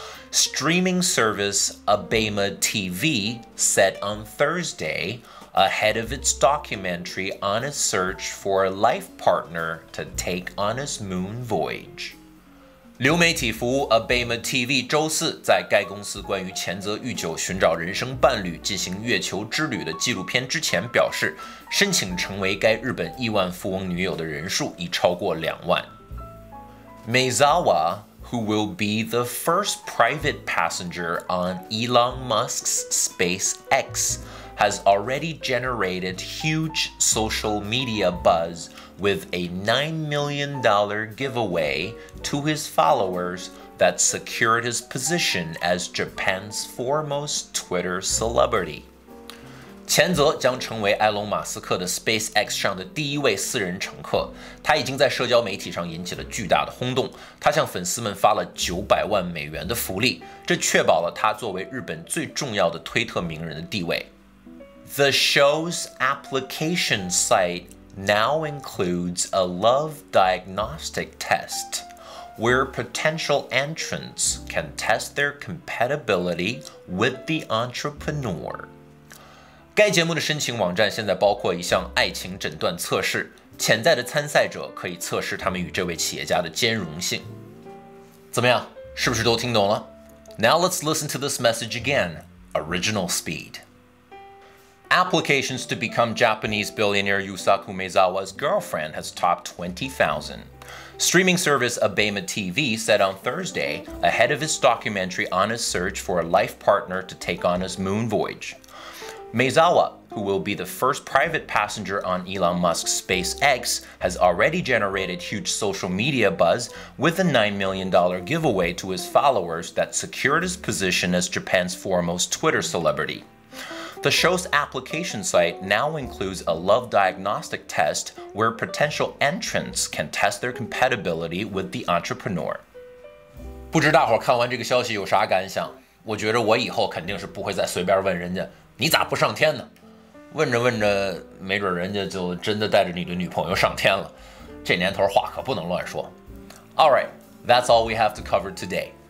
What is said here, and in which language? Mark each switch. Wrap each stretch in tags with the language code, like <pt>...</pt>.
<en>Streaming service Abema TV said on Thursday, ahead of its documentary on a search for a life partner to take on his moon voyage.</en> <zh>流媒体服务 Abema TV 周四在该公司关于前泽裕久寻找人生伴侣进行月球之旅的纪录片之前表示，申请成为该日本亿万富翁女友的人数已超过20,000。</zh> <en>Maezawa, who will be the first private passenger on Elon Musk's SpaceX, has already generated huge social media buzz. With a $9 million giveaway to his followers that secured his position as Japan's foremost Twitter celebrity.</en> <zh>前泽将成为埃隆·马斯克的 SpaceX 上的第一位私人乘客。他已经在社交媒体上引起了巨大的轰动。他向粉丝们发了$9,000,000的福利，这确保了他作为日本最重要的推特名人的地位。</zh> <en>The show's application site. Now includes a love diagnostic test where potential entrants can test their compatibility with the entrepreneur.</en> <zh>该节目的申请网站现在包括一项爱情诊断测试，潜在的参赛者可以测试他们与这位企业家的兼容性。怎么样？是不是都听懂了？</zh> <en>Now let's listen to this message again, original speed. Applications to become Japanese billionaire Yusaku Maezawa's girlfriend has topped 20,000. Streaming service Abema TV said on Thursday, ahead of his documentary on his search for a life partner to take on his moon voyage. Maezawa, who will be the first private passenger on Elon Musk's SpaceX, has already generated huge social media buzz with a $9 million giveaway to his followers that secured his position as Japan's foremost Twitter celebrity. The show's application site now includes a love diagnostic test where potential entrants can test their compatibility with the entrepreneur.</en> <zh>不知大伙看完这个消息有啥感想？我觉得我以后肯定是不会再随便问人家，你咋不上天呢？问着问着，没准人家就真的带着你的女朋友上天了。这年头话可不能乱说。</zh> <en>All right, that's all we have to cover today.</en>